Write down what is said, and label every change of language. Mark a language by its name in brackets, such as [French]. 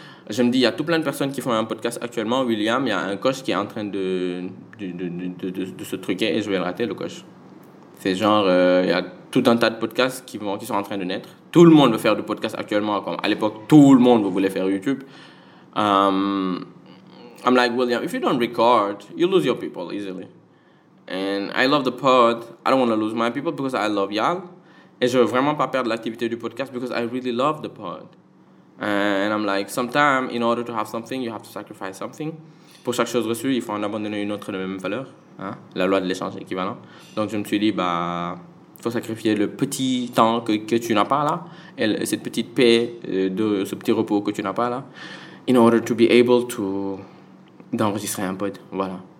[French] Je me dis, il y a tout plein de personnes qui font un podcast actuellement. William, il y a un coach qui est en train de se truquer et je vais le rater, le coach. C'est genre, il y a tout un tas de podcasts qui sont en train de naître. Tout le monde veut faire du podcast actuellement. Comme à l'époque, tout le monde voulait faire YouTube. [English] I'm like, William, if you don't record, you lose your people easily. And I love the pod. I don't want to lose my people because I love y'all. [French] Et je veux vraiment pas perdre l'activité du podcast [English] because I really love the pod. And I'm like, sometimes, in order to have something, you have to sacrifice something. [French] Pour chaque chose reçue, il faut en abandonner une autre de même valeur. Hein? La loi de l'échange équivalent. Donc je me suis dit, bah, il faut sacrifier le petit temps que tu n'as pas là. Et cette petite paix, ce petit repos que tu n'as pas là. [English] In order to be able to... [French] d'enregistrer un pod, voilà.